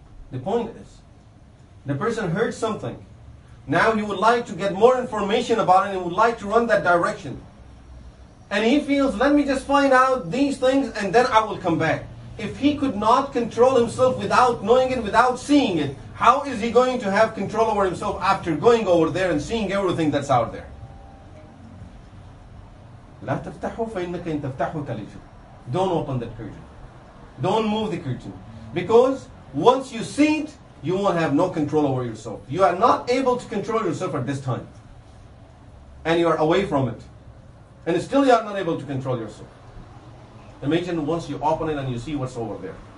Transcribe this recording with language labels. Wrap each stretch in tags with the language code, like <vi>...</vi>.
<en>The point is, the person heard something. Now he would like to get more information about it, and he would like to run that direction. And he feels, let me just find out these things, and then I will come back. If he could not control himself without knowing it, without seeing it, how is he going to have control over himself after going over there and seeing everything that's out there?</en> <ar>لا تفتحوا فإنك إن تفتحوا تلجوا.</ar> <en>Don't open that curtain. Don't move the curtain. Because once you see it, you won't have no control over yourself. You are not able to control yourself at this time. And you are away from it. And still you are not able to control yourself. Imagine once you open it and you see what's over there.</en>